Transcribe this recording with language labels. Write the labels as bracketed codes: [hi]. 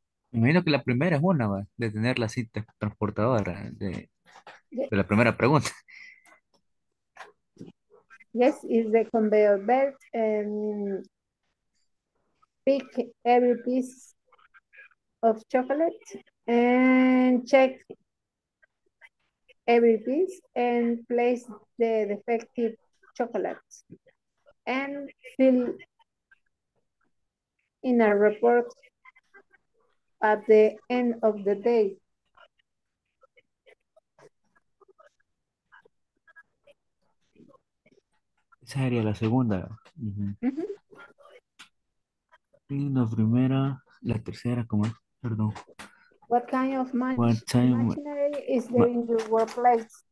[es] Me imagino que la primera es una, ¿verdad? De tener la cita transportadora de la primera pregunta. [en] Yes, is the conveyor belt and pick every piece of chocolate and check every piece and place the defective chocolate and fill in a report at the end of the day. [es] Esa sería la segunda. Uh-huh. Uh-huh. Y la primera, la tercera, ¿cómo es? Perdón. [en] What kind of machinery is there in your workplace?